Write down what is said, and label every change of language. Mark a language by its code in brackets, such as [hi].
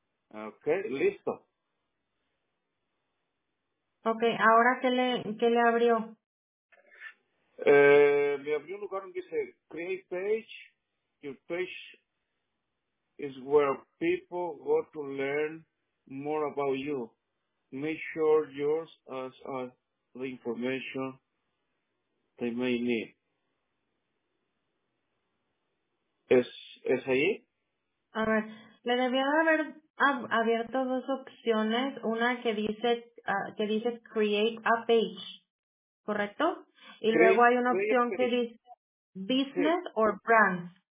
[es] Ok, listo. Ok, ahora ¿qué le abrió? Me abrió un lugar donde dice create page. [en] Your page is where people go to learn more about you. Make sure yours has all the information they may need. [es] ¿Es ahí? A ver, le debía haber abierto dos opciones. Una que dice create a page, ¿correcto? Y [en] create, [es] luego hay una opción que dice business, sí, or brand.